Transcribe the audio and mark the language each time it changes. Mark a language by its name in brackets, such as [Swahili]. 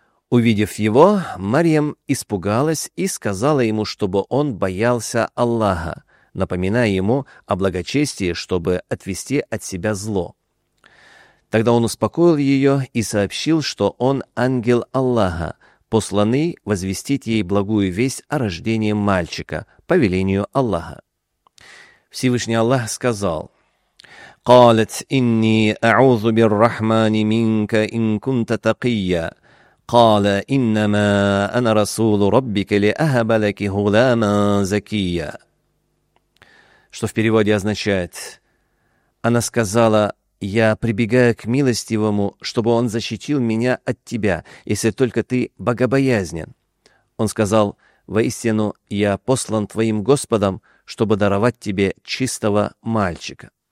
[Russian] Увидев его, Марьям испугалась и сказала ему, чтобы он боялся Аллаха, напоминая ему о благочестии, чтобы отвести от себя зло. Тогда он успокоил ее и сообщил, что он ангел Аллаха, посланный возвестить ей благую весть о рождении мальчика по велению Аллаха. Всевышний Аллах сказал: [Arabic] قالت إني أعوذ بالرحمن منك إن كنت تقيا قال إنما أنا رسول ربك لأهب لك غلاما زكيا. [Russian] Что в переводе означает: она сказала: «Я прибегаю к милостивому, чтобы он защитил меня от тебя, если только ты богобоязнен». Он сказал: «Воистину, я послан твоим Господом, чтобы даровать тебе чистого мальчика».